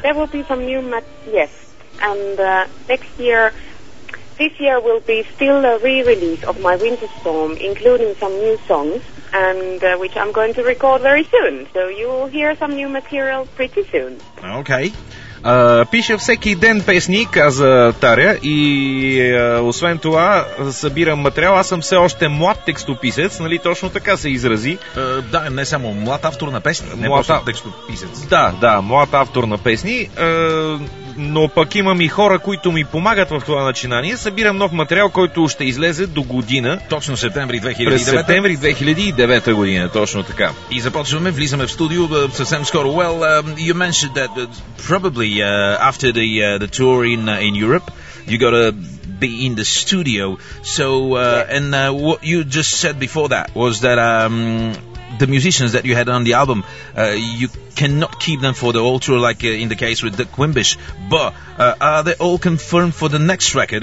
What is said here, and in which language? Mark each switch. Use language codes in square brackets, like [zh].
[en] There will be some new yes. And next year, this year will be still a re-release of my Winter Storm, including some new songs, and which I'm going to record very soon. So you will hear some new material pretty soon. Okay. [bg] Пиша всеки ден песни, каза Таря, и освен това събирам материал. Аз съм все още млад текстописец, нали точно така се изрази? Да, не само млад автор на песни, не млад просто текстописец. Да, да, млад автор на песни, но пък имам и хора, които ми помагат в това начинание. Събирам нов материал, който ще излезе до година. Точно септември 2009. През септември 2009 година, точно така. И започваме, влизаме в студио съвсем скоро. [en] Well, you mentioned that probably after the tour in Europe, you gotta be in the studio. So, and what you just said before that was that the musicians that you had on the album, you cannot keep them for the whole tour, like in the case with Dirk Wimbish, but are they all confirmed for the next record?